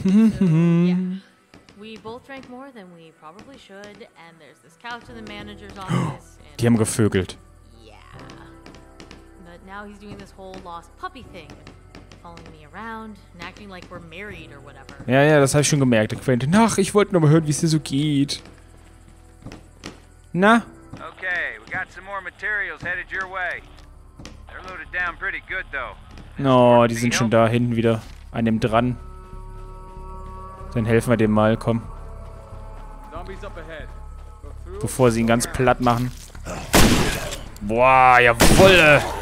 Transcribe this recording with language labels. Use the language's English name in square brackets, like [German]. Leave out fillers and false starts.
[English] So, yeah. We both drank more than we probably should, and there's this couch in the manager's office. [German] Die haben gevögelt. [English] Yeah. But now he's doing this whole lost puppy thing. Following me around and acting like we're married or whatever. [German] Ja, ja, das habe ich schon gemerkt. Quentin, ach, ich wollte nur mal hören, wie es dir so geht. Na? [English] Okay, we got some more materials headed your way. They're loaded down pretty good though. [German] No, die sind schon da hinten wieder an dem dran. Dann helfen wir dem mal, komm. Bevor sie ihn ganz platt machen. Boah, jawoll!